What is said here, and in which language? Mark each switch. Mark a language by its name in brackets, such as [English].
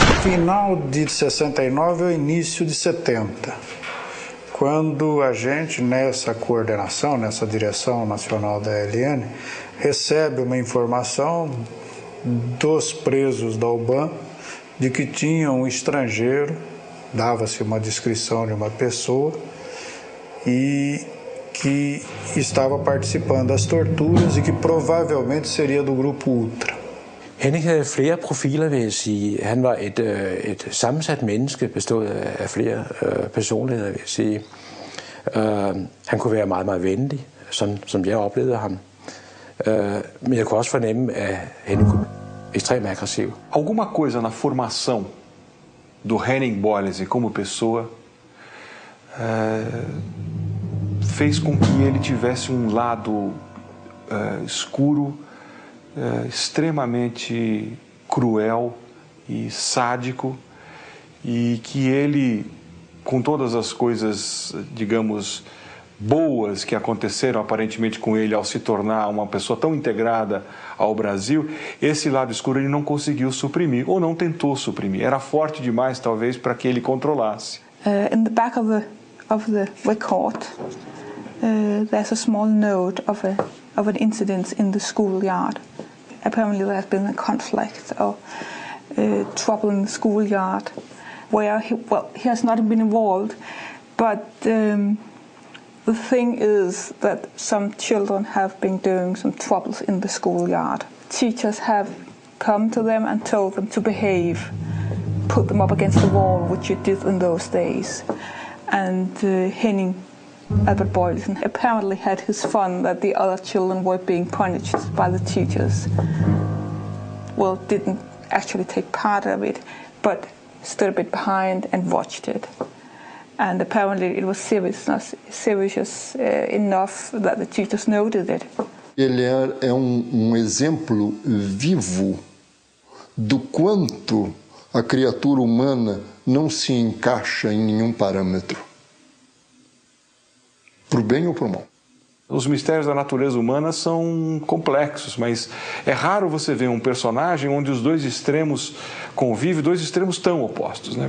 [Portuguese] Final de 69 ao início de 70, quando a gente, nessa coordenação, nessa direção nacional da ELN, recebe uma informação dos presos da UBAN de que tinha um estrangeiro, dava-se uma descrição de uma pessoa, e que estava participando das torturas e que provavelmente seria do grupo Ultra. [Danish] Henrik havde flere profiler, vil jeg sige. Han var et sammensat menneske, bestået af flere personligheder, vil jeg sige. Han kunne være meget, meget venlig, sådan, som jeg oplevede ham. Men jeg kunne også fornemme, at Henrik var ekstremt aggressiv. [Portuguese] Alguma coisa na formação do Henning Bolles como pessoa fez com que ele tivesse um lado escuro, extremamente cruel e sádico, e que ele, com todas as coisas, digamos, boas que aconteceram aparentemente com ele ao se tornar uma pessoa tão integrada ao Brasil, esse lado escuro ele não conseguiu suprimir, ou não tentou suprimir. Era forte demais, talvez, para que ele controlasse. [English] In the back of the record, there's a small note of an incident in the schoolyard. Apparently there's been a conflict or trouble in the schoolyard where he has not been involved, but the thing is that some children have been doing some troubles in the schoolyard. Teachers have come to them and told them to behave, put them up against the wall, which you did in those days. And Henning Albert Boylesen apparently had his fun that the other children were being punished by the teachers. Well, didn't actually take part of it, but stood a bit behind and watched it. And apparently it was serious enough that the teachers noted it. [Portuguese] Ele é um exemplo vivo do quanto a criatura humana não se encaixa em nenhum parâmetro, para o bem ou para o mal. Os mistérios da natureza humana são complexos, mas é raro você ver um personagem onde os dois extremos convivem, dois extremos tão opostos, né?